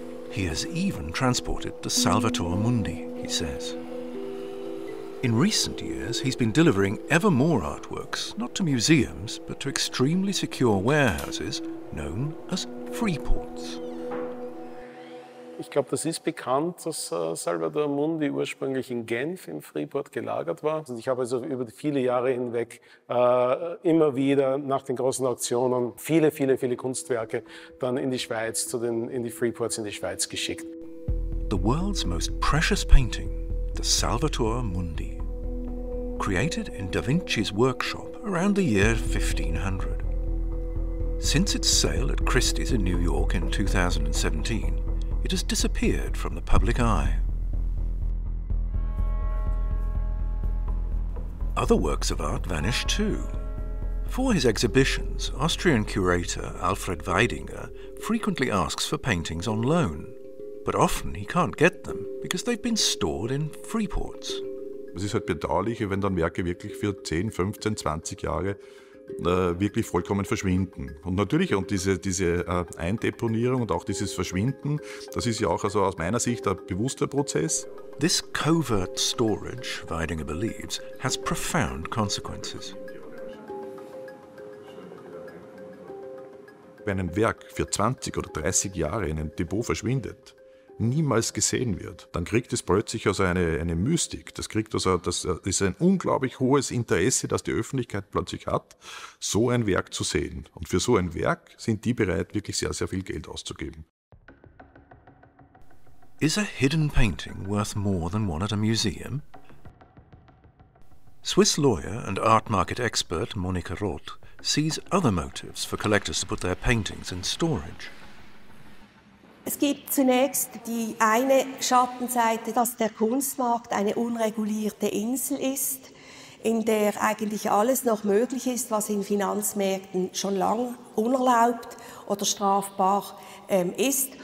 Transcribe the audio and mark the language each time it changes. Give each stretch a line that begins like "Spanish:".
English: He has even transported the Salvator Mundi, he says. In recent years, he's been delivering ever more artworks, not to museums, but to extremely secure warehouses known as Freeports.
German: Ich glaube, das ist bekannt, dass Salvator Mundi ursprünglich in Genf im Freeport gelagert war. Und ich habe also über viele Jahre hinweg immer wieder nach den großen Auktionen viele, viele, viele Kunstwerke dann in die Schweiz, in die Freeports geschickt.
English: The world's most precious painting, the Salvator Mundi. Created in Da Vinci's workshop around the year 1500. Since its sale at Christie's in New York in 2017, it has disappeared from the public eye. Other works of art vanish too. For his exhibitions, Austrian curator Alfred Weidinger frequently asks for paintings on loan, but often he can't get them because they've been stored in Freeports.
German: Es ist halt bedauerlich, wenn dann Werke wirklich für 10, 15, 20 Jahre wirklich vollkommen verschwinden. Und natürlich, und diese Eindeponierung und auch dieses Verschwinden, das ist ja auch also aus meiner Sicht ein bewusster Prozess.
English: This covert storage, Weidinger believes, has profound consequences.
German: Wenn ein Werk für 20 oder 30 Jahre in einem Depot verschwindet, niemals gesehen wird, dann kriegt es plötzlich also eine Mystik. Das kriegt also, das ist ein unglaublich hohes Interesse, das die Öffentlichkeit plötzlich hat, so ein Werk zu sehen. Und für so ein Werk sind die bereit, wirklich sehr, sehr viel Geld auszugeben.
English: Is a hidden painting worth more than one at a museum? Swiss lawyer and art market expert Monica Roth sees other motives for collectors to put their paintings in storage.
German: Es gibt zunächst die eine Schattenseite, dass der Kunstmarkt eine unregulierte Insel ist, in der eigentlich alles noch möglich ist, was in Finanzmärkten schon lang unerlaubt oder strafbar ist.